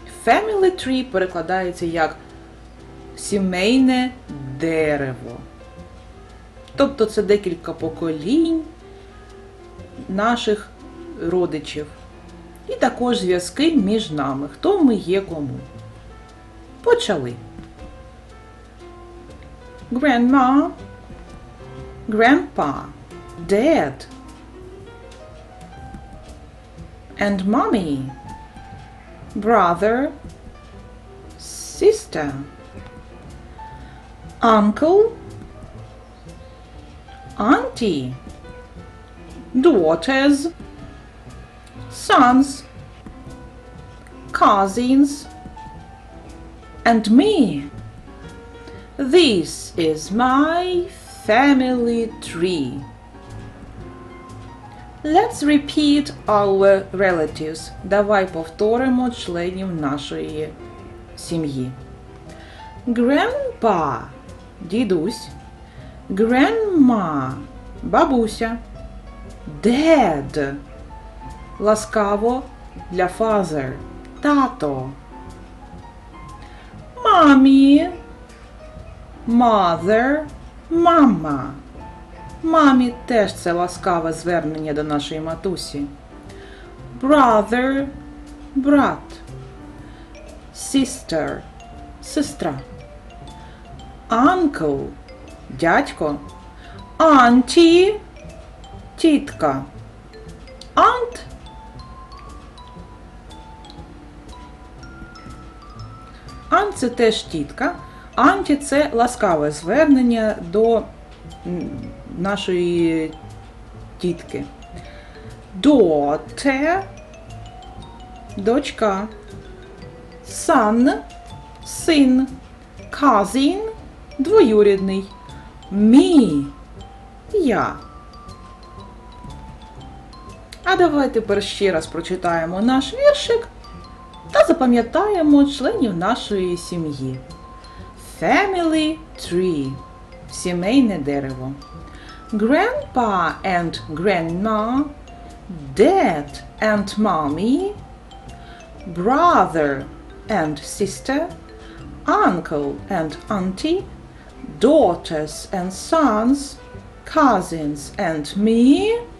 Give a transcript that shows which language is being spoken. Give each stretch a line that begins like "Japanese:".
Ukrainian: Family Tree перекладається як сімейне дерево. Тобто це декілька поколінь наших родичів. І також зв'язки між нами, хто ми є кому. Почали.
English: Grandma, grandpa, dad, and mommy, brother, sister, uncle, auntie, daughters, sons, cousins, and me. This is my family tree. Let's repeat our relatives.
Ukrainian: Давай повторимо членів нашої сім'ї. Grandpa – дідусь. Grandma – бабуся. Dad – ласкаво для father – тато.
English: Mommy – Mother – мама.
Ukrainian: Мамі теж це ласкаве звернення до нашої матусі. Brother – брат. Sister – сестра. Uncle – дядько. Auntie – тітка. Aunt – aunt – це теж тітка. Анті – це ласкаве звернення до нашої тітки. Доте – дочка. Сан – син. Казін – двоюрідний. Мі – я. А давайте тепер ще раз прочитаємо наш віршик та запам'ятаємо членів нашої сім'ї. Family tree – сімейне дерево.
English: Grandpa and grandma, dad and mommy, brother and sister, uncle and auntie, daughters and sons, cousins and me.